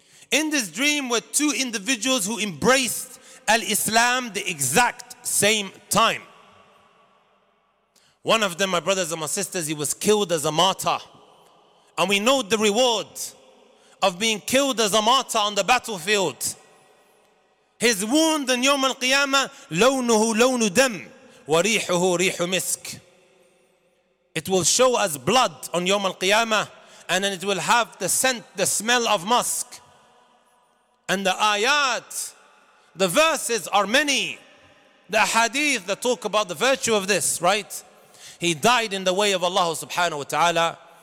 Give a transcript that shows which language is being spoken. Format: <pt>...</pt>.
<en>In this dream were two individuals who embraced al-Islam the exact same time. One of them, my brothers and my sisters, he was killed as a martyr. And we know the reward of being killed as a martyr on the battlefield. His wound on Yawm al-Qiyamah,</en> <ar>لونه لون دم وريحه ريح مسك.</ar> <en>It will show as blood on Yawm al-Qiyamah, and then it will have the scent, the smell of musk. And the ayat, the verses are many. The hadith that talk about the virtue of this, right? He died in the way of Allah subhanahu wa ta'ala.</en>